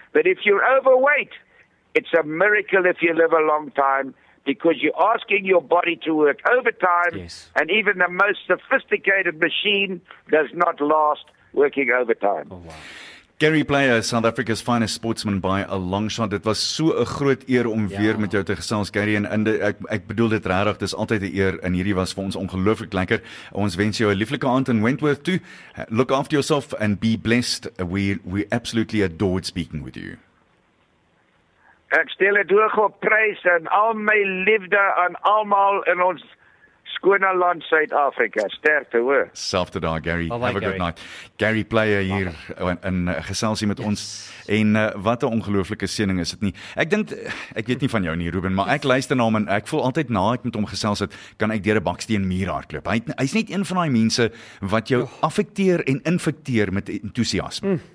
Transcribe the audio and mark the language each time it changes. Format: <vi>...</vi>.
<en>But if you're overweight, it's a miracle if you live a long time, because you're asking your body to work overtime. Yes. And even the most sophisticated machine does not last working overtime. Oh, wow. Gary Player, South Africa's finest sportsman by a long shot.</en> <af>Dit was so 'n groot eer om weer met jou te gesels, Gary. En ek bedoel dit regtig, dis altyd 'n eer. En hierdie was vir ons ongelooflik lekker. Ons wens jou 'n lieflike aand in Wentworth toe.</af> <en>Look after yourself and be blessed. We absolutely adored speaking with you.</en> <af>Ek stel dit hoog op prys en al my liefde aan almal in ons skone land Suid-Afrika. Sterkte hoor. Selfde daar, Gary.</af> <en>Bye-bye, have a Gary. Good night.</en> <af>Gary Player hier in geselsie met ons. En wat 'n ongelooflike seëning is dit nie. Ek dink, ek weet nie van jou nie, Ruben, maar ek luister na hom en ek voel altyd na ek met hom gesels het, kan ek deur 'n baksteen muur hardloop. Hy's net een van daai mense wat jou affekteer en infekteer met entoesiasme.</af>